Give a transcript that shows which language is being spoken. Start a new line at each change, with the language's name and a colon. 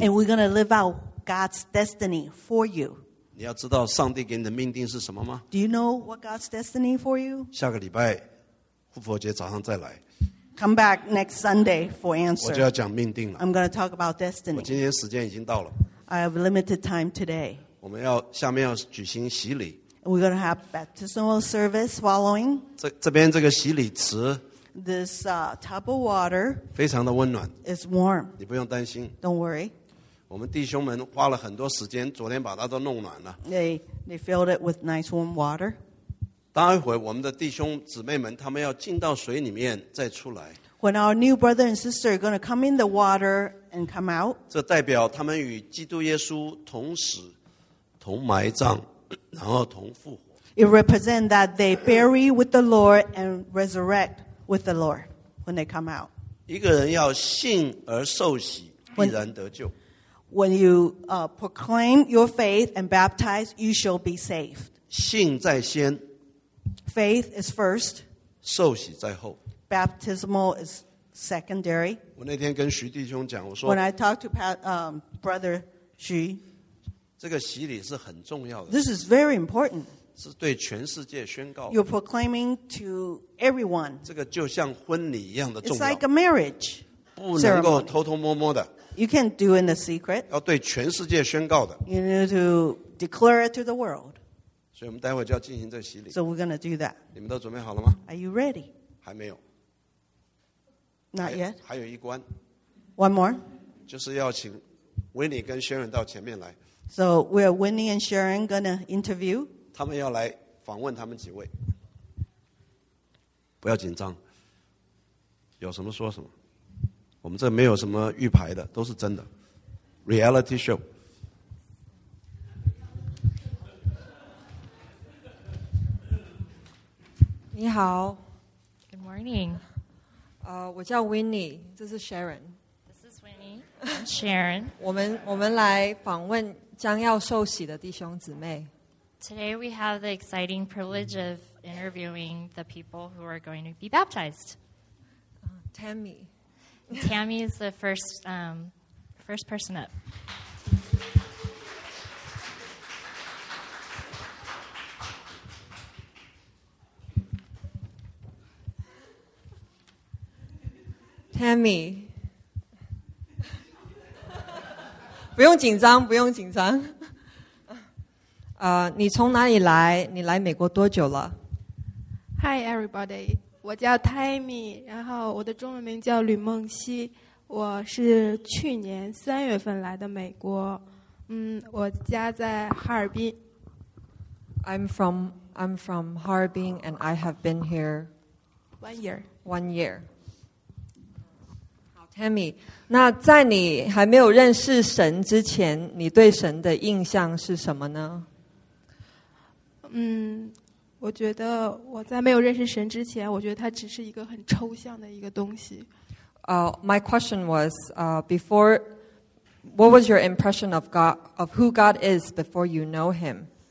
English: And we're going to live outGod's destiny for you.
Chinese: 你要知道上帝给你的命定是什么吗?
English: Do you know what God's destiny for you?
Chinese: 下个礼拜复活节早上再来。
English: Come back next Sunday for answer.
Chinese: 我就要讲命定了。
English: I'm going to talk about destiny.
Chinese: 我今天时间已经到了。
English: I have limited time today.
Chinese: 我们要下面要举行洗礼。
English: We're going to have baptismal service following.
Chinese: 这边这个洗礼池。
English: This tub of water.
Chinese: 非常的温暖。
English: It's warm.
Chinese: 你不用担心。
English: Don't worry.
Chinese: 我们弟兄们花了很多时间昨天把它都弄暖了
English: they filled it with nice warm water
Chinese: 待会我们的弟兄姊妹们他们要进到水里面再出来
English: when our new brother and sister are going to come in the water and come out
Chinese: 这代表他们与基督耶稣同死同埋葬然后同复活
English: it represents that they bury with the Lord and resurrect with the Lord when they come out
Chinese: 一个人要信而受洗必然得救
English: When you proclaim your faith and baptize, you shall be saved.
Chinese: 信在先。
English: Faith is first.
Chinese: 受洗在后。
English: Baptismal is secondary.
Chinese: 我那天跟徐弟兄讲，我说。
English: When I talked to Brother Xu.
Chinese: 这个洗礼是很重要的。
English: This is very important.
Chinese: 是对全世界宣告。
English: You're proclaiming to everyone.
Chinese: 这个就像婚礼一样的重要。
English: It's like a marriage ceremony.
Chinese: 不能够偷偷摸摸的。
English: You can't do in the secret.
Chinese: 要对全世界宣告的。
English: You need to declare it to the world.
Chinese: 所以我们待会就要进行这洗礼。
English: So we're going to do that.
Chinese: 你们都准备好了吗?
English: Are you ready?
Chinese: 还没有。
English: Not yet.
Chinese: 还有一关。
English: One more.
Chinese: 就是要请 Winnie 跟 Sharon 到前面来。
English: So we are Winnie and Sharon going to interview.
Chinese: 他们要来访问他们几位。不要紧张。有什么说什么。我们这没有什么预排的，都是真的 ，
English: reality show。
Chinese: 你好
English: ，Good morning。
Chinese: 我叫 Winnie， 这是 Sharon。
English: This is Winnie。 I'm Sharon.
Chinese: 我们来访问将要受洗的弟兄姊妹。
English: Today we have the exciting privilege of interviewing the people who are going to be baptized. Tammy. Tammy is the first, first person up. Tammy.
Chinese: 不用紧张，不用紧张。你从哪里来？你来美国多久了？
English: Hi everybody，
Chinese: 我叫 Tammy， 然后我的中文名叫吕梦溪，我是去年三月份来的美国。我家在哈尔滨。
English: I'm from Harbin and I have been here one year.
Chinese: 好 ，Tammy， 那在你还没有认识神之前，你对神的印象是什么呢？我觉得我在没有认识神之前，我觉得它只是一个很抽象的一个东西。
English: My question was, before, what was your impression of God, of who God is before you know Him?